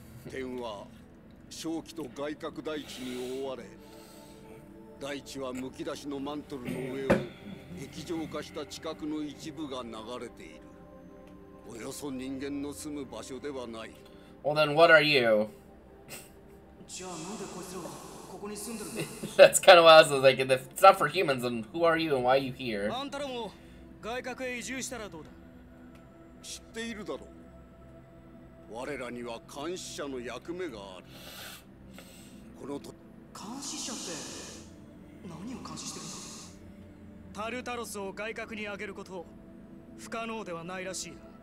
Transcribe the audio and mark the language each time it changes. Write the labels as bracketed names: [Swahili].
[Japanese] 天は正気と外郭大地に覆われ、大地はむき出しのマントルの上を液状化した地殻の一部が流れている。およそ人間の住む場所ではない。 [English] Well then, what are you? [Japanese] じゃあなんでこいつはここに住んでるの？ [English] That's kind of what I was like, if it's not for humans, then who are you and why are you here? [Japanese] あんたらも外郭へ移住したらどうだ？知っているだろう。我らには監視者の役目がある。このと監視者って何を監視してるんだ？タルタロスを外郭に上げること不可能ではないらしいな。